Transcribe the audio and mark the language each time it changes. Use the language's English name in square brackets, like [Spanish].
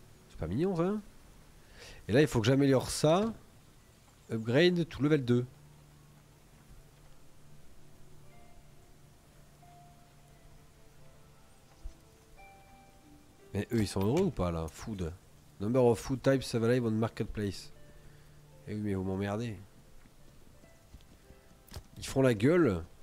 [French] C'est pas mignon ça. Et là, il faut que j'améliore ça. [English] Upgrade to level 2. [French] Mais eux ils sont heureux ou pas là? [English] Food. Number of food types available on marketplace. [French] Eh oui, mais vous m'emmerdez. Ils font la gueule.